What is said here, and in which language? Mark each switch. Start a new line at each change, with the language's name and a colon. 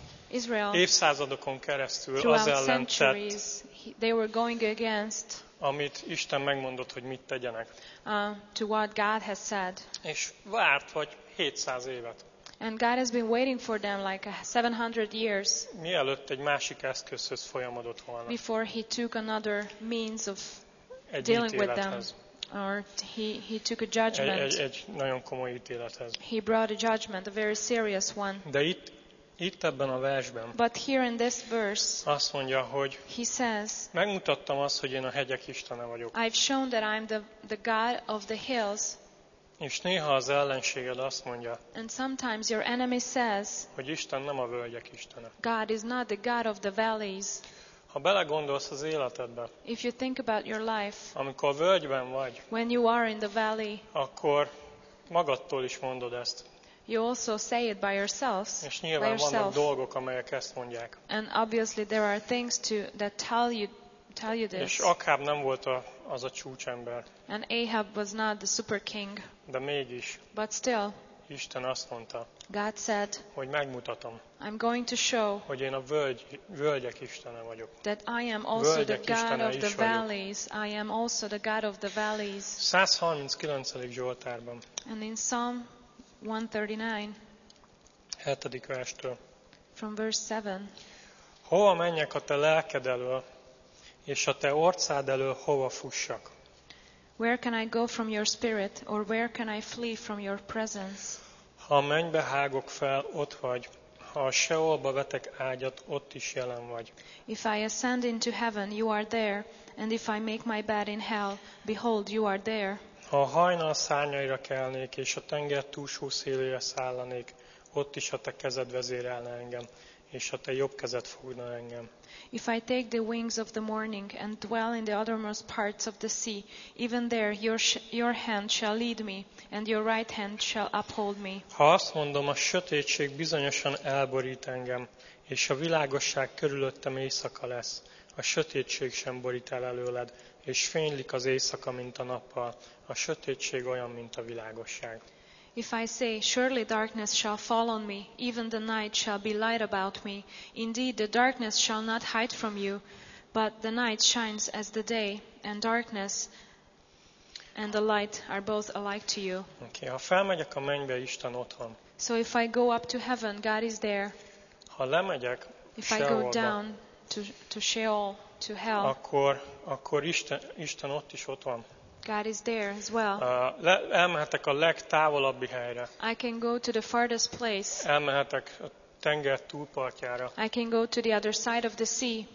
Hungarian: Israel évszázadokon keresztül az ellen tett, amit Isten megmondott, hogy mit tegyenek.
English: To what God has said.
Hungarian: És várt vagy 700 évet.
English: And God has been waiting for them like 700 years.
Hungarian: Mielőtt egy másik eszközhöz folyamodott volna.
English: Before he took another means of dealing with them. Or he took a judgment.
Hungarian: Egy nagyon komoly ítélethez.
English: He brought a judgment, a very serious one.
Hungarian: De itt ebben a versben.
English: But here in this verse.
Hungarian: Azt mondja, hogy
English: he says.
Hungarian: Megmutattam azt, hogy én a hegyek istene vagyok.
English: I've shown that I'm the God of the hills.
Hungarian: És néha az ellenséged azt mondja,
English: and sometimes your enemy says,
Hungarian: hogy Isten nem a völgyek istene.
English: God is not the God of the valleys.
Hungarian: Ha belegondolsz az életedbe,
English: if you think about your life,
Hungarian: amikor a völgyben vagy,
English: when you are in the valley,
Hungarian: akkor magadtól is mondod ezt.
English: You also say it by yourself.
Hungarian: És nyilván vannak dolgok, amelyek ezt mondják.
English: And obviously there are things that tell you this.
Hungarian: És Akáb nem volt az a csúcsember.
English: And Ahab was not the super king.
Hungarian: De mégis.
English: But still.
Hungarian: Isten azt mondta.
English: God said.
Hungarian: Hogy megmutatom.
English: I'm going to show.
Hungarian: Hogy én a völgyek istene vagyok.
English: That I am also the God of the valleys. I am also the God of the valleys.
Hungarian: 139. Zsoltárban.
English: And in Psalm 139.
Hungarian: 7. verstől.
English: From verse 7.
Hungarian: Hova menjek a te lelked elől? És a te orcád elől hova fussak?
English: Where can I go from your spirit, or where can I flee from your presence?
Hungarian: Ha a mennybe hágok fel, ott vagy. Ha a Seolba vetek ágyat, ott is jelen vagy.
English: If I ascend into heaven, you are there. And if I make my bed in hell, behold, you are there.
Hungarian: Ha a hajnal szárnyaira kelnék, és a tenger túlsó szélére szállanék, ott is a te kezed vezérelne engem, és a te jobb kezed fogna engem.
English: If I take the wings of the morning and dwell in the uttermost parts of the sea, even there your hand shall lead me, and your right hand shall uphold me.
Hungarian: Ha azt mondom, a sötétség bizonyosan elborít engem, és a világosság körülöttem éjszaka lesz, a sötétség sem borít el előled, és fénylik az éjszaka, mint a nappal, a sötétség olyan, mint a világosság.
English: If I say, surely darkness shall fall on me, even the night shall be light about me. Indeed, the darkness shall not hide from you, but the night shines as the day, and darkness and the light are both alike to you.
Hungarian: Okay, ha felmegyek a mennybe, Isten ott van.
English: So if I go up to heaven, God is there.
Hungarian: Ha lemegyek,
English: if I go down to Sheol, to hell,
Hungarian: akkor Isten ott is ott van.
English: God is there as well.
Hungarian: Elmehetek a legtávolabbi helyre.
English: I can go to the farthest place.
Hungarian: Elmehetek a tenger túlpartjára.
English: I can go to the other side of the sea.